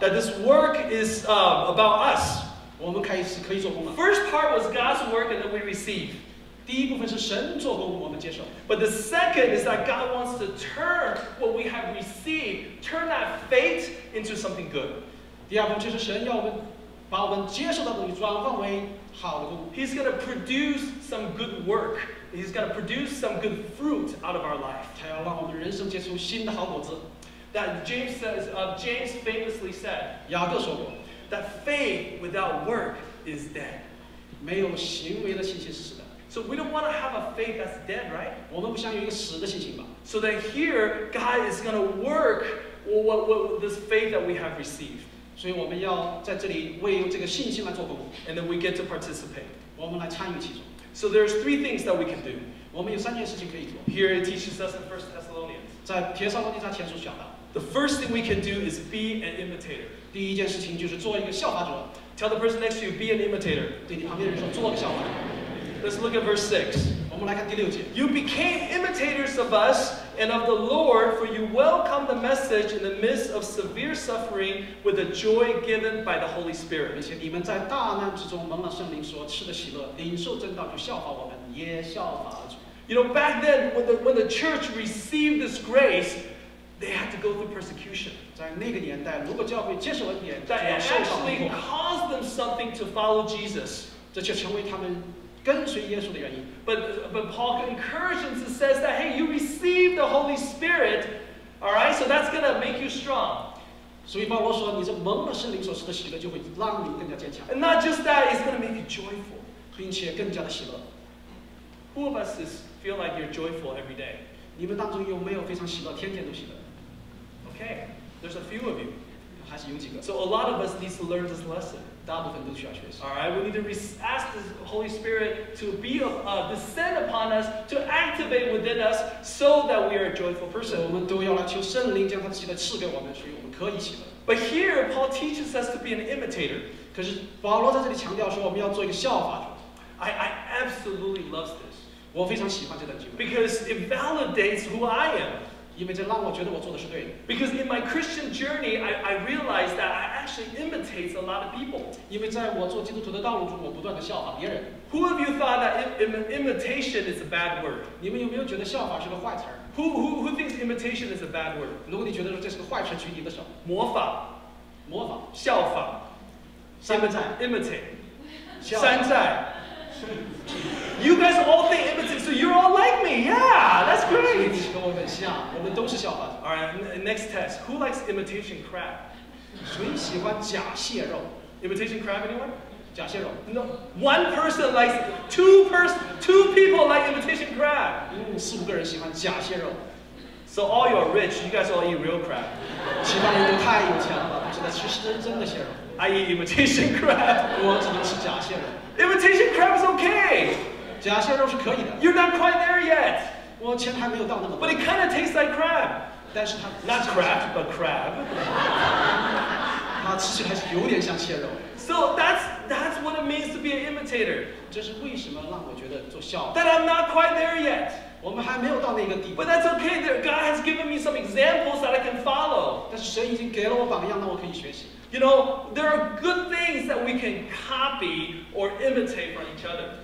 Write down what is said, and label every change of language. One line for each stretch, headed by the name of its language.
English: That this work is about us. First part was God's work and then we receive.
Chinese: 第一部分是神做工，我们接受。
English: But the second is that God wants to turn what we have received, turn that faith into something good.
Chinese: 第二部分就是神要我们把我们接受的东西转换为好的工。
English: He's going to produce some good work. He's going to produce some good fruit out of our life.
Chinese: 他要让我们人生结出新的好果子。
English: That James says, James famously said,
Chinese: 雅各说过,
English: that faith without work is dead.
Chinese: 没有行为的信心是死的。
English: So we don't want to have a faith that's dead, right?
Chinese: 我们不想有一个死的信心吧。
English: So that here, God is going to work with this faith that we have received.
Chinese: 所以我们要在这里为这个信心来做工。
English: And then we get to participate.
Chinese: 我们来参与其中。
English: So there's three things that we can do.
Chinese: 我们有三件事情可以做。
English: Here it teaches us in 1 Thessalonians.
Chinese: 在帖撒罗尼迦前书讲到。
English: The first thing we can do is be an imitator.
Chinese: 第一件事情就是做一个效法者。
English: Tell the person next to you, be an imitator.
Chinese: 对你旁边人说，做个效法者。
English: Let's look at verse 6.
Chinese: 我们来看第六节。
English: You became imitators of us and of the Lord, for you welcomed the message in the midst of severe suffering with the joy given by the Holy Spirit.
Chinese: 而且你们在大难之中蒙了圣灵所赐的喜乐，领受真道就效法我们，也效法了主。
English: You know, back then, when the church received this grace,They had to go through persecution.
Chinese: 在那个年代，如果教会接受恩典，就要受苦。
English: That actually caused them something to follow Jesus.
Chinese: 这就成为他们跟随耶稣的原因。
English: But Paul encourages and says that, hey, you receive the Holy Spirit, all right? So that's going to make you strong.
Chinese: 所以保罗说，你这蒙了圣灵所赐的喜乐，就会让你更加坚强。
English: And not just that, it's going to make you joyful.
Chinese: 并且更加的喜乐。
English: Who of us is feel like you're joyful every day?
Chinese: 你们当中有没有非常喜乐，天天都喜乐
English: ？Okay, there's a few of you.
Chinese: 还是有几个。
English: So a lot of us need to learn this lesson.
Chinese: 大部分都需要学习。
English: All right, we need to ask the Holy Spirit to be descend upon us, to activate within us, so that we are a joyful person.
Chinese: 我们都要来求圣灵将他的喜乐赐给我们，所以我们可以喜乐。
English: But here, Paul teaches us to be an imitator.
Chinese: 可是保罗在这里强调说，我们要做一个效法者。
English: I absolutely love this.
Chinese: 我非常喜欢这段经文
English: Because it validates who I am.
Chinese: 因为这让我觉得我做的是对的
English: Because in my Christian journey, I realized that I actually imitate a lot of people.
Chinese: 因为在我做基督徒的道路中，我不断的效仿别人
English: Who of you thought that imitation is a bad word?
Chinese: 你们有没有觉得效仿是个坏词
English: Who thinks imitation is a bad word?
Chinese: 如果你觉得说这是个坏词，举你的手。模仿，模仿，效仿，山寨
English: ，imitate，
Chinese: 山寨。
English: You guys all think imitate, so you're all like me. Yeah, that's great.
Chinese: 跟我很像，我们都是笑话。
English: All right, next test. Who likes imitation crab?
Chinese: 谁喜欢假蟹肉
English: ？Imitation crab, anyone?
Chinese: 假蟹肉
English: No. One person likes. Two people like imitation crab.
Chinese: 四五个人喜欢假蟹肉。
English: So all you're rich, you guys all eat real crab.
Chinese: 其他人都太有钱了，都是在吃真的蟹肉。
English: I eat imitation crab.
Chinese: 我只能吃假蟹肉。
English: Imitation crab is okay.
Chinese: 假蟹肉是可以的。
English: You're not quite there yet.
Chinese: 我钱还没有到那么多。
English: But it kind of tastes like crab.
Chinese: 但是它
English: not crab but crab.
Chinese: 它其实还是有点像蟹肉。
English: So that's what it means to be an imitator.
Chinese: 这是为什么让我觉得做笑。
English: That I'm not quite there yet.
Chinese: 我们还没有到那个地步。
English: But that's okay. God has given me some examples that I can follow.
Chinese: 但是神已经给了我榜样，那我可以学习。
English: You know, there are good things that we can copy or imitate from each other.